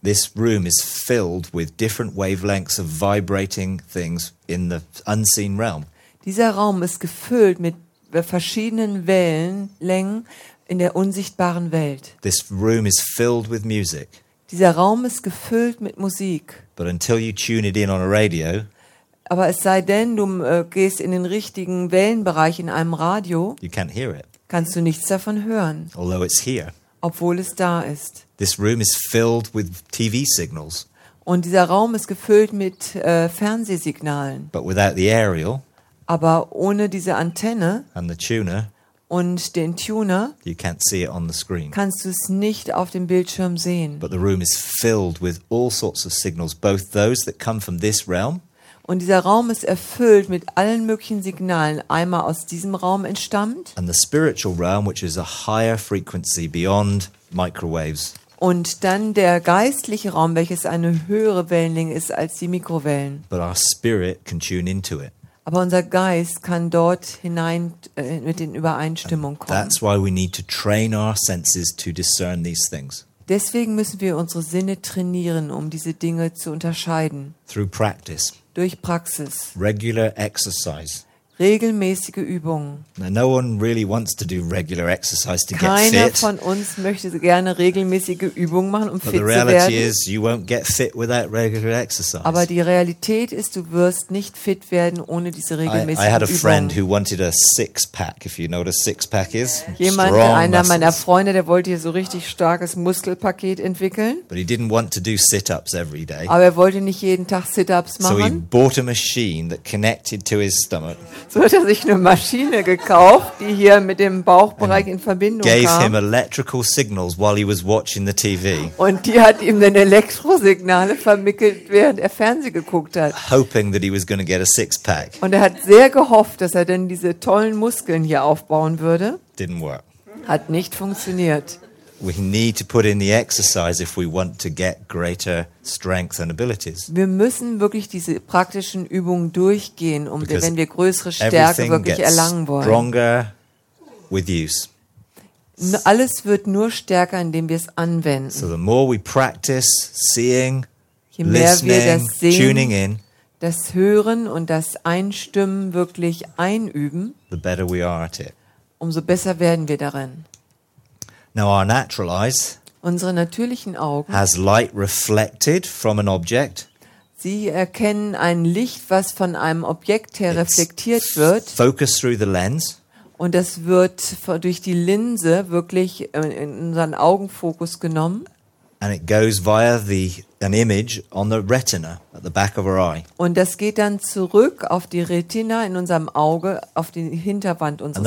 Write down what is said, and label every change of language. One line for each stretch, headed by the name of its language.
English: This room is filled with different wavelengths of vibrating things in the unseen realm.
German: Dieser Raum ist gefüllt mit verschiedenen Wellenlängen in der unsichtbaren Welt.
English: This room is filled with music.
German: Dieser Raum ist gefüllt mit Musik.
English: But until you tune it in on a radio,
German: aber es sei denn, du gehst in den richtigen Wellenbereich in einem Radio,
English: you can't hear it.
German: Kannst du nichts davon hören.
English: Although it's here.
German: Obwohl es da ist.
English: This room is filled with TV signals.
German: Und dieser Raum ist gefüllt mit Fernsehsignalen.
English: But without the aerial,
German: aber ohne diese Antenne
English: and the tuner,
German: und den Tuner,
English: you can't see it on the screen.
German: Kannst du es nicht auf dem Bildschirm sehen.
English: But the room is filled with all sorts of signals, both those that come from this realm.
German: Und dieser Raum ist erfüllt mit allen möglichen Signalen, einmal aus diesem Raum entstammt.
English: And the spiritual realm, which is a higher frequency beyond microwaves.
German: Und dann der geistliche Raum, welches eine höhere Wellenlänge ist als die Mikrowellen.
English: But our spirit can tune into it.
German: Aber unser Geist kann dort hinein mit den Übereinstimmungen kommen.
English: That's why we need to train our senses to discern these things.
German: Deswegen müssen wir unsere Sinne trainieren, um diese Dinge zu unterscheiden.
English: Through practice.
German: Durch Praxis.
English: Regular exercise.
German: Regelmäßige Übungen.
English: Now, no one really wants to do regular exercise to
German: keiner
English: get fit.
German: Von uns möchte gerne regelmäßige Übungen machen, um
English: But
German: fit
English: the reality
German: zu werden.
English: Is, you won't get fit without regular exercise.
German: Aber die Realität ist, du wirst nicht fit werden ohne diese regelmäßigen Übungen.
English: I had a friend who wanted a six pack, if you know what a six pack is.
German: Jemand,
English: strong
German: einer
English: muscles.
German: Meiner Freunde, der wollte hier so richtig starkes Muskelpaket entwickeln.
English: But he didn't want to do sit-ups every day.
German: Aber er wollte nicht jeden Tag Sit-ups machen.
English: So he bought a machine that connected to his stomach.
German: So hat er sich eine Maschine gekauft, die hier mit dem Bauchbereich in Verbindung
English: gave
German: kam.
English: Him electrical signals while he was watching the TV.
German: Und die hat ihm dann Elektrosignale vermittelt, während er Fernsehen geguckt hat.
English: Hoping that he was going to get a six-pack.
German: Und er hat sehr gehofft, dass er dann diese tollen Muskeln hier aufbauen würde.
English: Didn't work.
German: Hat nicht funktioniert.
English: we need to put in the exercise if we want to get greater strength and abilities.
German: Wir müssen wirklich diese praktischen Übungen durchgehen, wenn wir größere Stärke wirklich erlangen wollen.
English: Stronger with use.
German: Alles wird nur stärker, indem wir es anwenden.
English: So the more we practice seeing,
German: je mehr wir das sehen,
English: tuning in,
German: das Hören und das Einstimmen wirklich einüben,
English: the better we are at it.
German: Umso besser werden wir darin.
English: Now our natural eyes,
German: unsere natürlichen Augen,
English: has light reflected from an object.
German: Sie erkennen ein Licht, was von einem Objekt her reflektiert wird.
English: Focus through the lens.
German: Und das wird durch die Linse wirklich in unseren Augenfokus genommen.
English: And it goes via an image on the retina at the back of our eye.
German: Und das geht dann zurück auf die Retina in unserem Auge, auf die Hinterwand unseres